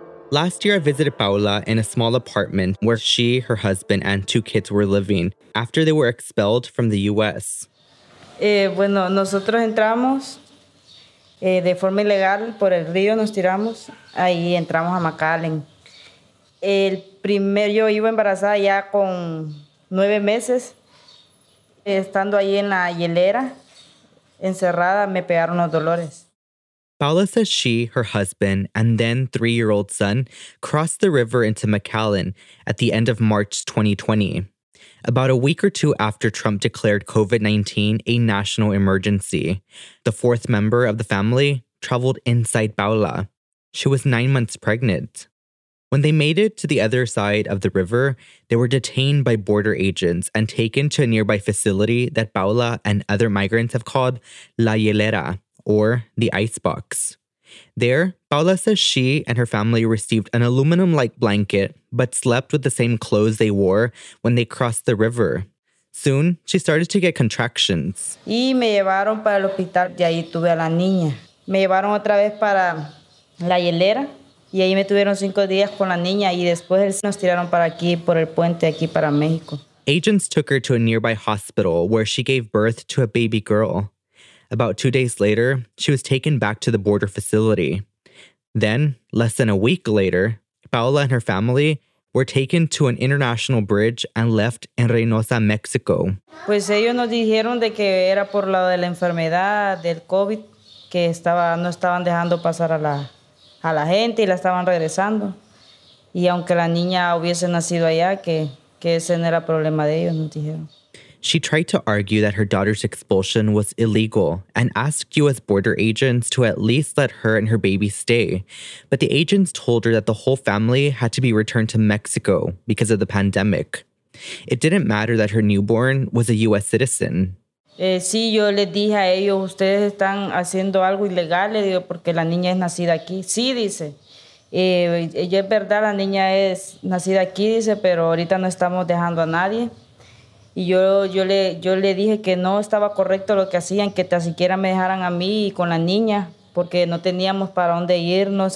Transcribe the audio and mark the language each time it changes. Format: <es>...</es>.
<en>Last year, I visited Paola in a small apartment where she, her husband, and two kids were living after they were expelled from the U.S.</en> <es>Nosotros entramos. De forma ilegal, por el río nos tiramos, ahí entramos a McAllen. El primer, yo iba embarazada ya con 9 meses, estando ahí en la hielera, encerrada, me pegaron los dolores.</es> <en>Paola says she, her husband, and then 3-year-old son crossed the river into McAllen at the end of March 2020, about a week or two after Trump declared COVID-19 a national emergency. The fourth member of the family traveled inside Paola. She was 9 months pregnant. When they made it to the other side of the river, they were detained by border agents and taken to a nearby facility that Paola and other migrants have called La Hielera, or the icebox. There, Paola says she and her family received an aluminum-like blanket, but slept with the same clothes they wore when they crossed the river. Soon, she started to get contractions.</en> <es>Y me llevaron para el hospital, y ahí tuve a la niña. Me llevaron otra vez para la hielera, y ahí me tuvieron 5 días con la niña, y después nos tiraron para aquí, por el puente, aquí para México.</es> <en>Agents took her to a nearby hospital, where she gave birth to a baby girl. About 2 days later, she was taken back to the border facility. Then, less than a week later, Paola and her family were taken to an international bridge and left in Reynosa, Mexico.</en> <es>Pues ellos nos dijeron de que era por la de la enfermedad del COVID que estaba no estaban dejando pasar a la gente y la estaban regresando. Y aunque la niña hubiese nacido allá, que ese no era problema de ellos, nos dijeron.</es> <en>She tried to argue that her daughter's expulsion was illegal and asked U.S. border agents to at least let her and her baby stay. But the agents told her that the whole family had to be returned to Mexico because of the pandemic. It didn't matter that her newborn was a U.S. citizen.</en> <es>Sí, yo les dije a ellos, ustedes están haciendo algo ilegal, le digo, porque la niña es nacida aquí. Sí, dice. Ella es verdad, la niña es nacida aquí, dice, pero ahorita no estamos dejando a nadie. Y yo le dije que no estaba correcto lo que hacían, que tan siquiera me dejaran a mí y con la niña, porque no teníamos para dónde irnos.</es>